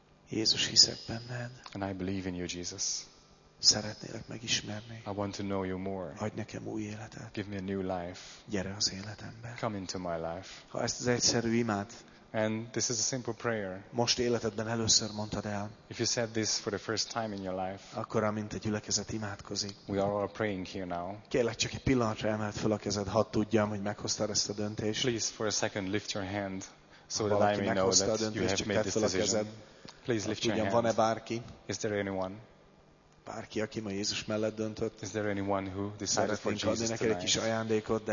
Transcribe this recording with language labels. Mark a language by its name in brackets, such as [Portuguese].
[Hungarian] Jézus, hiszek benned. [English] And I believe in you, Jesus. [Hungarian] Szeretnélek megismerni. [English] I want to know you more. [Hungarian] Adj nekem új életet. [English] Give me a new life. [Hungarian] Gyere az életembe. [English] Come into my life. [Hungarian] Ha ezt az egyszerű imád. [English] And this is a simple prayer. [Hungarian] Most életedben először mondtad el. [English] If you said this for the first time in your life. [Hungarian] Akkor amint a gyülekezet imádkozik. [English] We are all praying here now. [Hungarian] Kérlek csak egy pillanatra emeld fel a kezed, hadd tudjam, hogy meghoztad ezt a döntést. [English] Please for a second lift your hand so that I may know that you have made this decision. Please lift your hand. [Hungarian] Van-e bárki? [English] Is there anyone? [Hungarian] Bárki, aki ma Jézus mellett döntött. [English] Is there anyone who decided for Jesus tonight? [Hungarian] Neked egy kis ajándékot, de